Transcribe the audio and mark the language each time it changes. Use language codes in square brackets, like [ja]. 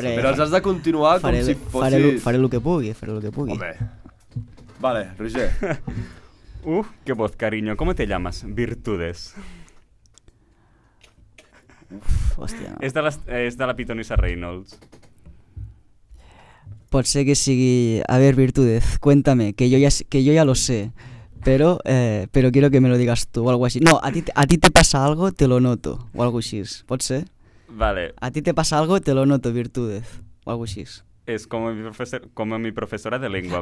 [ca] Però els has de continuar com si fossis... Faré el que pugui. Home. Vale, Roger. [es] Que voz, cariño. ¿Cómo te llamas? Virtudes. [ca] Hòstia, no. És de la Pitonisa Reynolds. Pot ser que sigui... [es] A ver, Virtudes, cuéntame, que yo ya lo sé, pero quiero que me lo digas tú o algo así. No, a ti te pasa algo, te lo noto, o algo así. [ca] Pot ser? Vale. [es] A ti te pasa algo, te lo noto, Virtudes, o algo así. [ca] És com mi professora de llengua.